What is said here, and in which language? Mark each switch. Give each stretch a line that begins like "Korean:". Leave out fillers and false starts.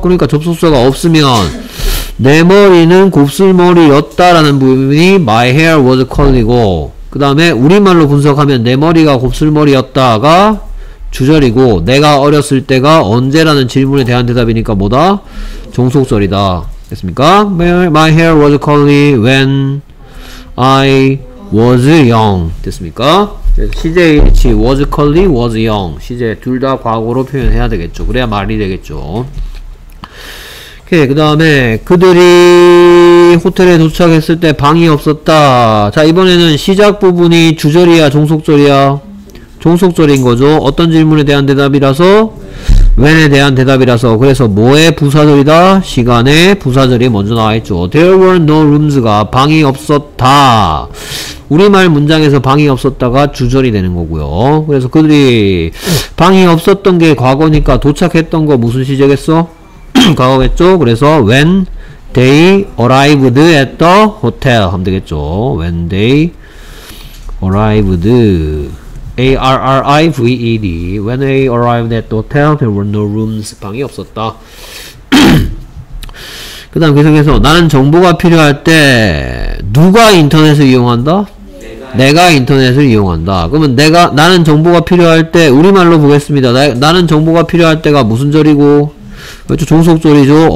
Korean: 그러니까 접속사가 없으면 내 머리는 곱슬머리였다라는 부분이
English: my hair was curly
Korean: 고, 그 다음에 우리말로 분석하면 내 머리가 곱슬머리였다가 주절이고, 내가 어렸을 때가 언제라는 질문에 대한 대답이니까 뭐다? 종속절이다. 됐습니까?
English: My hair was curly when I was young.
Korean: 됐습니까? 시제 일치 was curly, was young. 시제 둘 다 과거로 표현해야 되겠죠. 그래야 말이 되겠죠. 오케이. 그 다음에 그들이 호텔에 도착했을 때 방이 없었다. 자, 이번에는 시작 부분이 주절이야 종속절이야? 종속절인 거죠. 어떤 질문에 대한 대답이라서? when에 대한 대답이라서. 그래서 뭐의 부사절이다? 시간의 부사절이 먼저 나와있죠.
English: There were no rooms가
Korean: 방이 없었다. 우리말 문장에서 방이 없었다가 주절이 되는 거고요. 그래서 그들이 방이 없었던 게 과거니까 도착했던 거 무슨 시제겠어? 과거겠죠. 그래서
English: when they arrived at the hotel
Korean: 하면 되겠죠.
English: when they arrived A-R-R-I-V-E-D When they arrived at the hotel, there were no rooms.
Korean: 방이 없었다. 그 다음 계속해서 나는 정보가 필요할 때 누가 인터넷을 이용한다? 내가 인터넷을 이용한다. 그러면 나는 정보가 필요할 때 우리말로 보겠습니다. 나는 정보가 필요할 때가 무슨 절이고? 그렇죠. 종속절이죠.